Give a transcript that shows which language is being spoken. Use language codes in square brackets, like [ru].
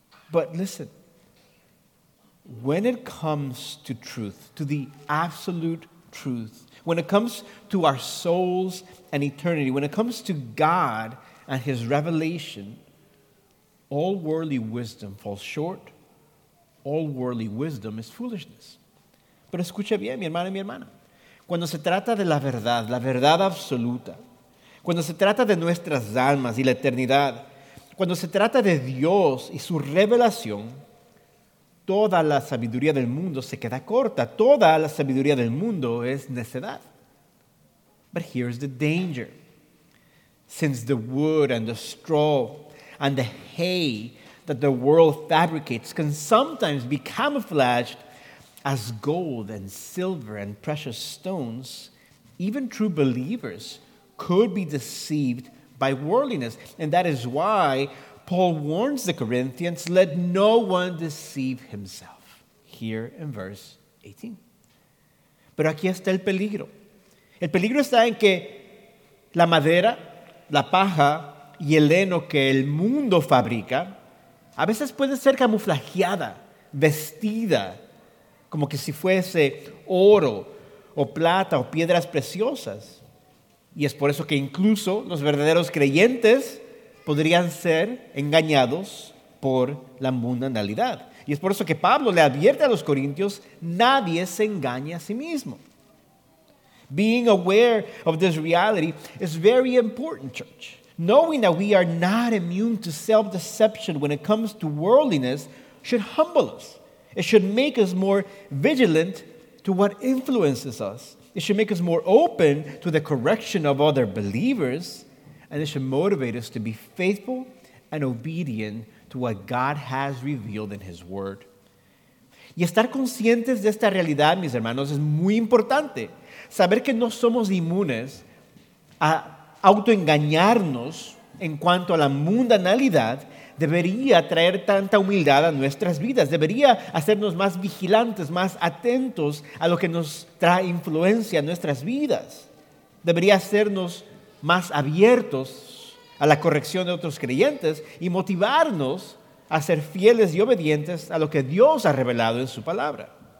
[en] But listen, when it comes to truth, to the absolute truth, when it comes to our souls and eternity, when it comes to God and His revelation, all worldly wisdom falls short. All worldly wisdom is foolishness. [es] Pero escucha bien, mi hermano y mi hermana. Cuando se trata de la verdad absoluta, cuando se trata de nuestras almas y la eternidad, cuando se trata de Dios y su revelación, toda la sabiduría del mundo se queda corta. Toda la sabiduría del mundo es necedad. [en] But here's the danger. Since the wood and the straw and the hay that the world fabricates can sometimes be camouflaged as gold and silver and precious stones, even true believers could be deceived by worldliness. And that is why Paul warns the Corinthians, let no one deceive himself, here in verse 18. [es] Pero aquí está el peligro. El peligro está en que la madera, la paja y el heno que el mundo fabrica a veces puede ser camuflajeada, vestida, como que si fuese oro o plata o piedras preciosas. Y es por eso que incluso los verdaderos creyentes podrían ser engañados por la mundanalidad. Y es por eso que Pablo le advierte a los corintios, nadie se engaña a sí mismo. [en] Being aware of this reality is very important, church. Knowing that we are not immune to self-deception when it comes to worldliness should humble us. It should make us more vigilant to what influences us. It should make us more open to the correction of other believers. And it should motivate us to be faithful and obedient to what God has revealed in His Word. [es] Y estar conscientes de esta realidad, mis hermanos, es muy importante. Saber que no somos inmunes a autoengañarnos en cuanto a la mundanalidad debería traer tanta humildad a nuestras vidas, debería hacernos más vigilantes, más atentos a lo que nos trae influencia a nuestras vidas, debería hacernos más abiertos a la corrección de otros creyentes y motivarnos a ser fieles y obedientes a lo que Dios ha revelado en su palabra.